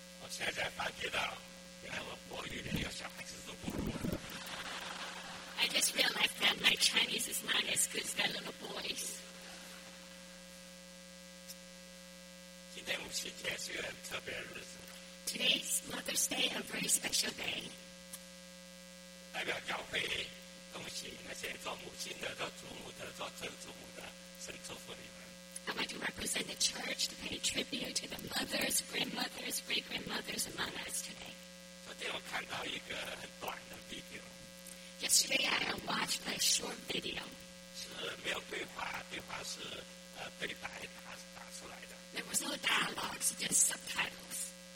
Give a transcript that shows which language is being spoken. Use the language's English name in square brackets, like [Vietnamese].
[Chinese] 现在发觉到，原来我国语的那个小孩子都不如我。 [English] I just realized that my Chinese is not as good as that little boy's. [Chinese] 今天母亲节是个很特别的日子。 [English] Today's Mother's Day, a very special day. [Chinese] 代表教会恭喜那些做母亲的、做祖母的、做曾祖母的，神祝福你们。 [English] I want to represent the church to pay tribute to the mothers, grandmothers, great-grandmothers among us today. Yesterday, I watched a short video. There was no dialogue, so just subtitles.